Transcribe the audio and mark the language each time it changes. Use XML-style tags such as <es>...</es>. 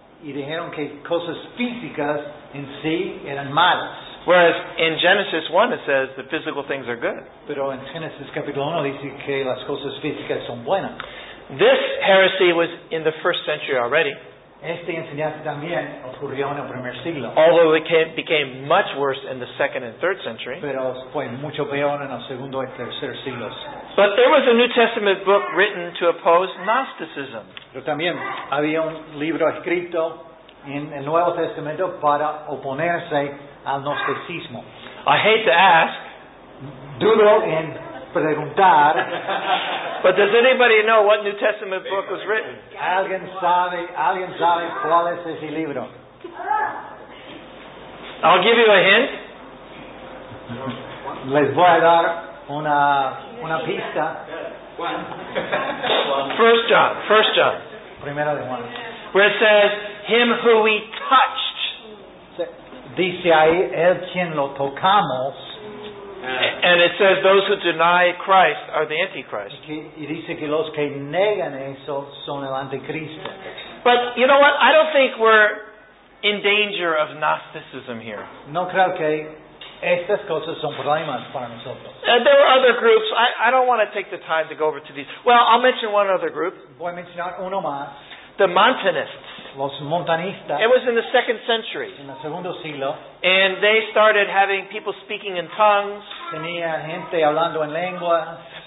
<es>Y dijeron que cosas físicas en sí eran malas.</es> <en>Whereas in Genesis 1 it says that physical things are good.</en> <es>Pero en Génesis capítulo 1 dice que las cosas físicas son buenas.</es> <en>This heresy was in the first century already.</en> <es>Esta enseñanza también ocurrió en el primer siglo.</es> <en>Although it became much worse in the 2nd and 3rd century.</en> <es>Pero fue mucho peor en el segundo y tercer siglos.</es> <en>But there was a New Testament book written to oppose Gnosticism.</en> <es>Pero también había un libro escrito en el Nuevo Testamento para oponerse al Gnosticismo.</es> <en>I hate to ask.</en> <es>Dudo en preguntar.</es> <en>But does anybody know what New Testament book was written?</en> <es>¿Alguien sabe cuál es ese libro?</es> <en>I'll give you a hint.</en> <es>Les voy a dar una pista.</es> <en>First John.</en> <es>Primera de Juan.</es> <en>Where it says, him who we touched.</en> <es>Dice ahí, el quien lo tocamos.</es> <en>And it says those who deny Christ are the Antichrist.</en> <es>Y dice que los que negan eso son el Anticristo.</es> <en>But you know what? I don't think we're in danger of Gnosticism here.</en> <es>No creo que estas cosas son problemas para nosotros.</es> <en>There are other groups. I don't want to take the time to go over to these. Well, I'll mention one other group.</en> <es>Voy a mencionar uno más.</es> <en>The Montanists.</en> <es>Los montanistas.</es> <en>It was in the 2nd century.</en> <es>En el segundo siglo.</es> <en>And they started having people speaking in tongues.</en> <es>Tenía gente hablando en lenguas.</es>